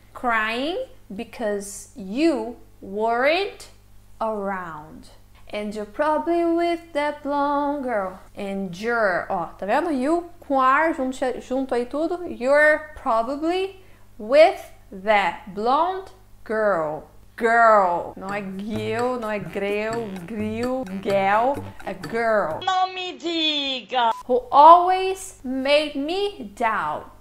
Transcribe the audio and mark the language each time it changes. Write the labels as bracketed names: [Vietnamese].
[English] Crying because you weren't around. And you're probably with that blonde girl. And you're, [Portuguese] ó, tá vendo? [English] You [Portuguese] com ar junto aí tudo. [English] You're probably with that blonde girl. Girl. [Portuguese] Não é gil, não é greu, gril, gal. [English] A girl. [Portuguese] Não me diga. [English] Who always made me doubt.